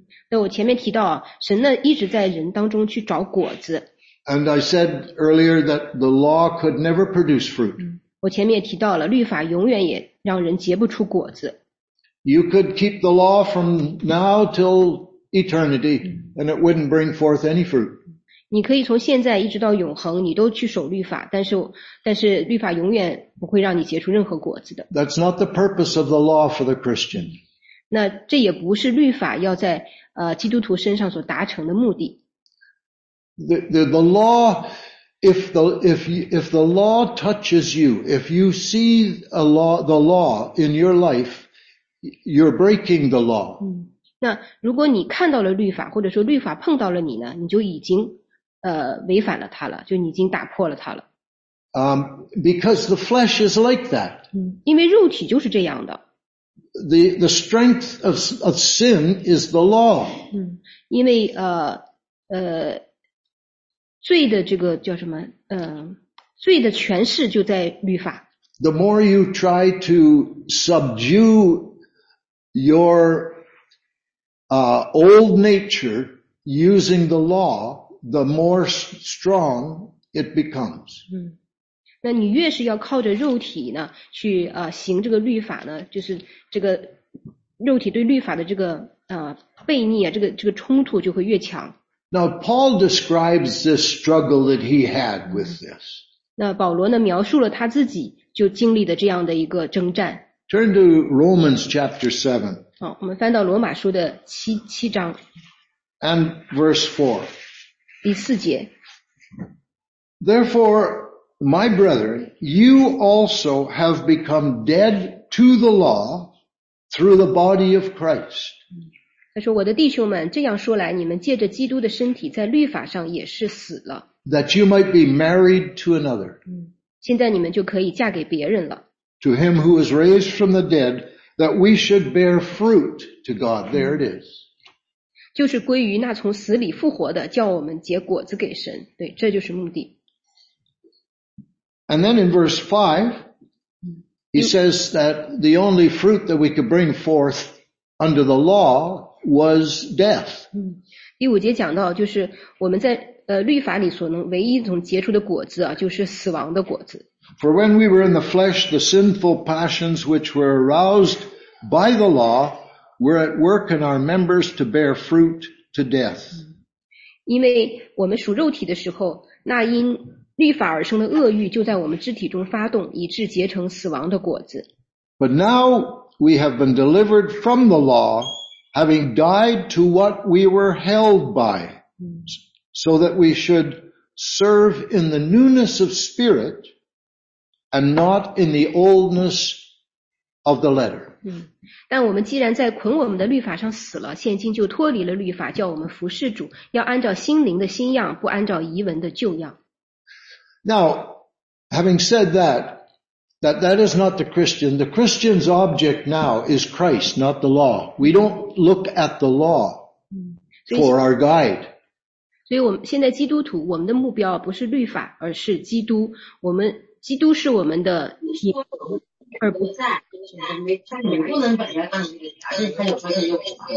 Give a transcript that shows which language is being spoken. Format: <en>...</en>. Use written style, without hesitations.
<zh>那我前面提到啊，神呢一直在人当中去找果子。</zh> <en>And I said earlier that the law could never produce fruit.</en> <zh>我前面也提到了，律法永远也让人结不出果子。</zh> <en>You could keep the law from now till eternity, and it wouldn't bring forth any fruit.</en> <zh>你可以从现在一直到永恒，你都去守律法，但是律法永远不会让你结出任何果子的。</zh> <en>That's not the purpose of the law for the Christian.</en> <zh>那这也不是律法要在基督徒身上所达成的目的。</zh> <en>The law, if the law touches you, if you see the law in your life, you're breaking the law.</en> <zh>那如果你看到了律法，或者说律法碰到了你呢，你就已经违反了它了，就你已经打破了它了。</zh> <en>Because the flesh is like that.</en> <zh>因为肉体就是这样的。</zh> <en>The strength of sin is the law.</en> <zh>因为罪的这个叫什么？罪的权势就在律法。</zh> <en>The more you try to subdue your old nature using the law, the more strong it becomes.</en> <zh>那你越是要靠着肉体呢，去行这个律法呢，就是这个肉体对律法的这个悖逆啊，这个冲突就会越强。</zh> <en>Now Paul describes this struggle that he had with this.</en> <zh>那保罗呢描述了他自己就经历的这样的一个征战。</zh> <en>Turn to Romans chapter 7.</en> <zh>好，我们翻到罗马书的七章。</zh> <en>And verse 4.</en> <zh>第四节。</zh> <en>Therefore, my brethren, you also have become dead to the law through the body of Christ.</en> <zh>他说我的弟兄们这样说来你们借着基督的身体在律法上也是死了。</zh> <en>That you might be married to another.</en> <zh>现在你们就可以嫁给别人了。</zh> <en>To him who was raised from the dead, that we should bear fruit to God. There it is.</en> <zh>就是归于那从死里复活的叫我们结果子给神。对这就是目的。</zh> <en>And then in verse 5, he says that the only fruit that we could bring forth under the law was death.</en> <zh>第五节讲到就是我们在律法里所能唯一种结出的果子啊就是死亡的果子。</zh> <en>For when we were in the flesh, the sinful passions which were aroused by the law were at work in our members to bear fruit to death.</en> <zh>因为我们属肉体的时候那因律法而生的恶欲就在我们肢体中发动以致结成死亡的果子。</zh> <en>But now we have been delivered from the law, having died to what we were held by, so that we should serve in the newness of spirit and not in the oldness of the letter.</en> <zh>但我们既然在捆我们的律法上死了现今就脱离了律法叫我们服侍主要按照心灵的新样不按照遗文的旧样。</zh> <en>Now, having said that, that is not the Christian. The Christian's object now is Christ, not the law. We don't look at the law for our guide.</en> <zh>所以我们现在基督徒，我们的目标不是律法，而是基督。我们基督是我们的体，而不在。你不能把它当律法，而且它有它的优点。</zh>